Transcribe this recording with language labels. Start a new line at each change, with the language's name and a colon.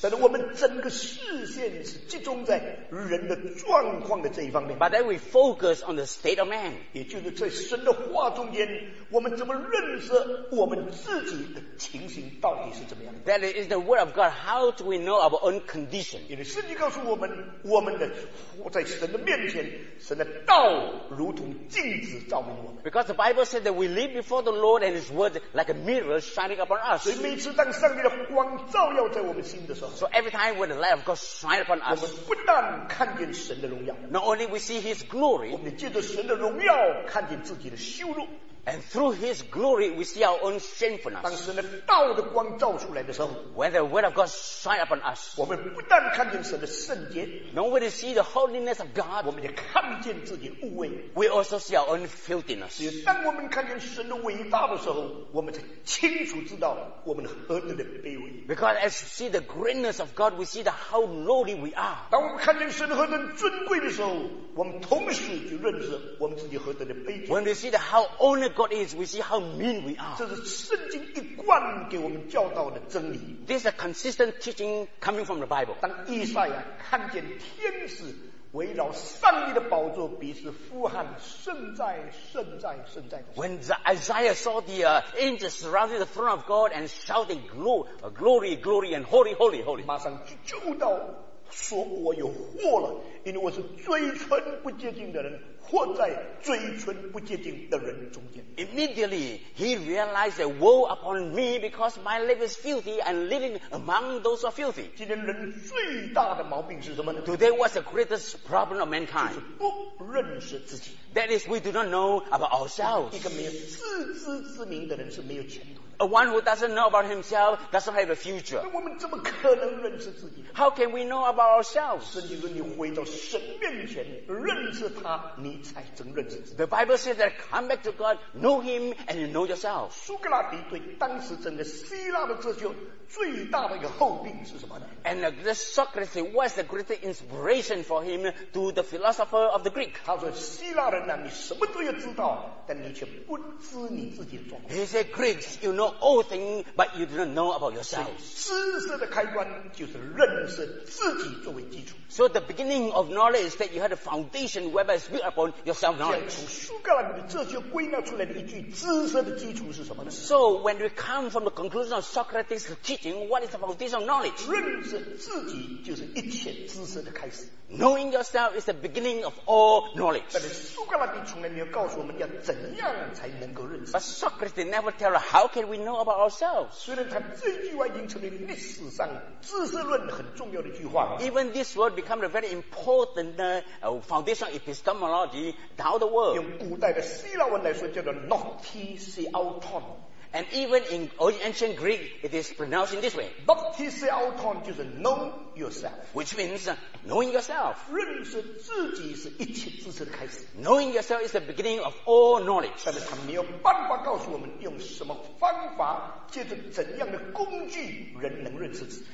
Chinese: 但是我们整个视线是集中在人的状况的这一方面。
English: But then we focus on the state of man.
Chinese: 也就是在神的话中间，我们怎么认识我们自己的情形到底是怎么样的
English: ？That is the word of God. How do we know our own condition?
Chinese: 因为圣经告诉我们，我们的在神的面前，神的道如同镜子照明我们。
English: Because the Bible said that we live before the Lord and His word. Like a mirror shining upon us.
Chinese: 所以每次当上帝的光照耀在我们心的时候
English: ，So every time when the light of God shines upon us,
Chinese: 我们不但看见神的荣耀
English: ，Not only we see His glory,
Chinese: 我们借着神的荣耀看见自己的羞辱
English: ，And through His glory we see our own shamefulness.
Chinese: 当神的道的光照出来的时候
English: ，When the word of God shines upon us,
Chinese: 我们不但看见神的圣洁
English: ，Not only see the holiness of God,
Chinese: 我们也看见自己的污秽
English: ，We also see our own filthiness.
Chinese: 所以当我们看见神的伟大的时候，我们才清楚知道我们何等的卑微。
English: Because as we see the greatness of God, we see the how lowly we are.
Chinese: 当我们看见神何等尊贵的时候，我们同时就认识我们自己何等的卑贱。
English: When we see the how only God is, we see how mean we are.
Chinese: 这是圣经一贯给我们教导的真理。
English: This is a consistent teaching coming from the Bible.
Chinese: 当以赛亚看见天使围绕上帝的宝座，彼此呼喊：“圣哉，圣哉，圣哉！”
English: When Isaiah saw the angels surrounding the throne of God and shouting, "Glory, glory, glory, and holy, holy, holy!"
Chinese: 马上就到说：“我有祸了，因为我是嘴唇不洁净的人，活在嘴唇不洁净的人中间。”
English: Immediately he realized a woe upon me because my life is filthy and living among those who are filthy.
Chinese: 今天人最大的毛病是什么呢
English: ？Today what's the greatest problem of mankind?
Chinese: 就是不认识自己。
English: That is, we do not know about ourselves.
Chinese: 一个没有自知之明的人是没有前途。
English: A one who doesn't know about himself doesn't have a future.
Chinese: 我们怎么可能认识自己
English: ？How can we know about ourselves?
Chinese: 圣经说你回到神面前认识他，你才真认识自己。
English: The Bible says that come back to God, know Him, and you know yourself.
Chinese: 苏格拉底对当时整个希腊的哲学最大的一个后病是什么呢
English: ？And Socrates was the greatest inspiration for him to the philosopher of the Greek.
Chinese: 他说希腊人呐、啊，你什么都要知道，但你却不知你自己的状况。
English: He said, Greeks, you know. All things, but you do not know about yourself.
Chinese: 知识的开端就是认识自己作为基础。
English: So the beginning of knowledge is that you have a foundation whereby it's built upon your self-knowledge.
Chinese: 从苏格拉底这就归纳出来的一句知识的基础是什么呢
English: ？So when we come from the conclusion of Socrates' teaching, what is the foundation of knowledge?
Chinese: 认识自己就是一切知识的开始。
English: Knowing yourself is the beginning of all knowledge.
Chinese: 但是苏格拉底从来没有告诉我们要怎样才能够认识。
English: But Socrates never tell us how can we we know about ourselves.
Chinese: 虽然他这句话已经成为历史上知识论很重要的句话。
English: Even this word became a very important foundation epistemology down the world.
Chinese: 用古代的希腊文来说，叫做 noticeauton。
English: And even in ancient Greek, it is pronounced in this way. Noticeauton
Chinese: 就是
English: know yourself, which means knowing yourself.
Chinese: 认识自己是一切知识的开始。
English: Knowing yourself is the beginning of all knowledge.
Chinese: 但是他没有办法告诉我们用什么方法，借着怎样的工具，人能认识自己。